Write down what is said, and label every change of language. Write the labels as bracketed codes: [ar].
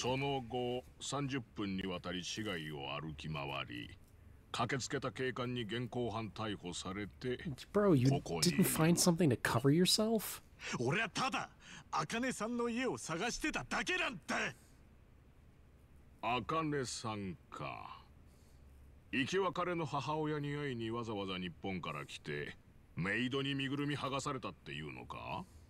[ja] その後30分にわたり市街を歩き回り、駆けつけた警官に現行犯逮捕されて。 [en] Bro, you didn't find something to cover yourself? [ja] 俺はただ茜さんの家を探してただけなんて。茜さんか。行きは彼の母親に会いにわざわざ日本から来て。メイドに身ぐるみ剥がされたっていうのか。